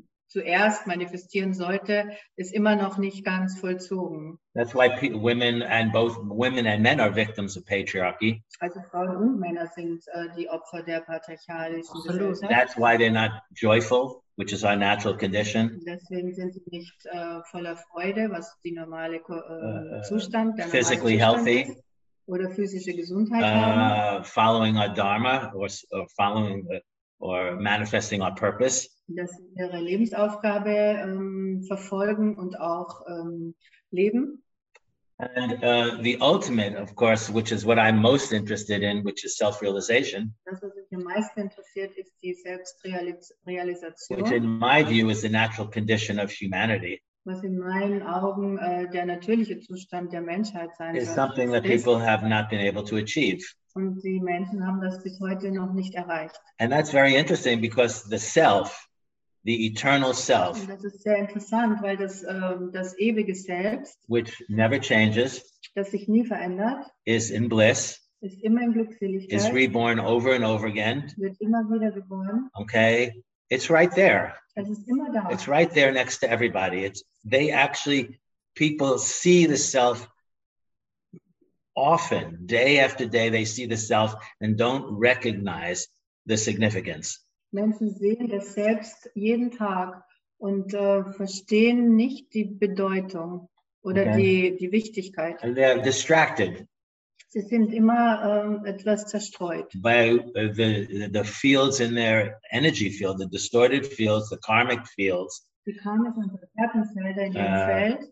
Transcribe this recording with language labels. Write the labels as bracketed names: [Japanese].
[German] Zuerst manifestieren sollte, ist immer noch nicht ganz vollzogen. [English] That's why women and both women and men are victims of patriarchy. [German] Also Frauen und Männer sind die Opfer der patriarchalischen Gesellschaft. [English] That's why they're not joyful, which is our natural condition. [German] Deswegen sind sie nicht voller Freude, was die normale Zustand der [English] physically healthy [German] ist. Oder physische Gesundheit haben. [English] Following our dharma or following or manifesting our purpose. [German] Dass sie ihre Lebensaufgabe verfolgen und auch leben. [English] And the ultimate, of course, which is what I'm most interested in, which is self-realization. [German] Das, was mich am meisten interessiert, ist die Selbstrealisation. [English] Which in my view is the natural condition of humanity. [German] Was in meinen Augen der natürliche Zustand der Menschheit sein wird. [English] Is something that people have not been able to achieve. [German] Und die Menschen haben das bis heute noch nicht erreicht. [English] And that's very interesting because the self, the eternal self, [German] und das ist sehr interessant, weil das das ewige Selbst, [English] which never changes, [German] das sich nie verändert, [English] is in bliss, [German] ist immer in Glückseligkeit, [English] is reborn over and over again, [German] wird immer wieder geboren. [English] Okay. It's right there. [German] Das ist immer da. [English] It's right there next to everybody. It's they actually, people see the self often, day after day, they see the self and don't recognize the significance. [German] Menschen sehen das selbst jeden Tag und verstehen nicht die Bedeutung oder okay. die Wichtigkeit. [English] And they're distracted. [German] Sie sind immer etwas zerstreut. [English] By the fields in their energy field, the distorted fields, the karmic fields. [German] Die karmischen Verhärtungsfelder in dem Feld.